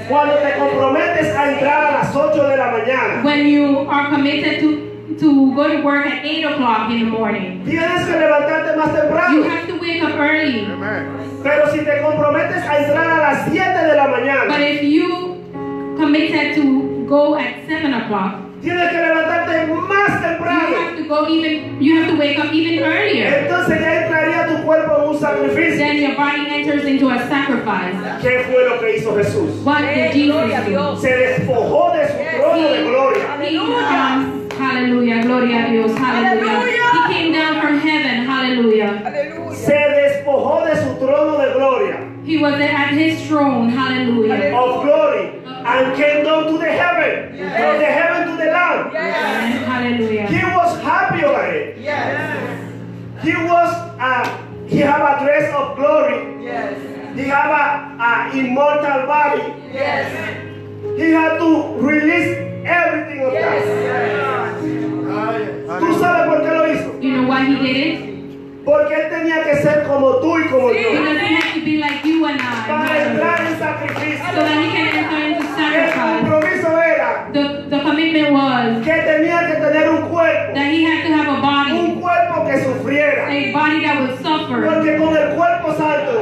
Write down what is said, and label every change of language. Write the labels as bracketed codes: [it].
[es] Cuando te comprometes a entrar a las 8 de la mañana. [en] When you are committed to go to work at 8 o'clock in the morning. [es] Tienes que levantarte más temprano. [en] You have to wake up early. Amen. [es] Pero si te comprometes a entrar a las 7 de la mañana. [en] But if you committed to go at 7 o'clock. [es] Tienes que levantarte más temprano. [en] You have to wake up even earlier. [es] Entonces ya entraría tu cuerpo en un sacrificio. [en] Then your body enters into a sacrifice. [es] ¿Qué fue lo que hizo Jesús? [en] What did Jesus do? [es] Se despojó de su trono de gloria. Hallelujah. Gloria a Dios. Hallelujah. [en] He came down from heaven. Hallelujah. [es] Se despojó de su trono de gloria. [en] He was at his throne. Hallelujah. Of glory. And came down to the heaven. Yes. From the heaven to the land. Yes. Hallelujah. He was happy over it. Yes. He was he had a dress of glory. Yes. He had an immortal body. Yes. He had to release everything of yes. that. Yes. [es] ¿Tú sabes por qué lo hizo? [en] You know why he did it? [es] Porque él tenía que ser como tú y como yo. [en] Because he had to be like you and I. [es] Para entrar en sacrificio. [en] So that he can enter into sacrifice. [es] El compromiso era. [en] The commitment was. [es] Que tenía que tener un cuerpo. [en] That he had to have a body. [es] Un cuerpo que sufriera. [en] A body that would suffer. [es] Porque con el cuerpo santo.